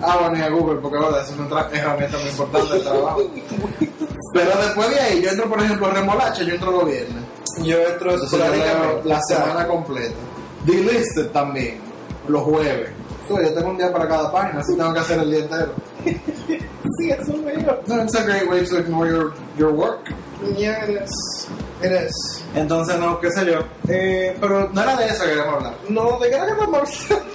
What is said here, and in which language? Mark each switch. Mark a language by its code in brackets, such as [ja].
[es] Ah, bueno, y a Google, porque bueno, es una herramienta muy importante del trabajo. Pero después de ahí, yo entro, por ejemplo, en Remolacha, yo entro los viernes. Yo entro la semana completa. Delisted también, los jueves. Yo tengo un día para cada página, así tengo que hacer el día entero. Sí, eso es mío. [en] No, it's a great way to ignore your work. Yeah, it is. It is. [es] Entonces, no, qué sé yo. Pero no era de eso que queríamos hablar. No, de qué era que queríamos hablar.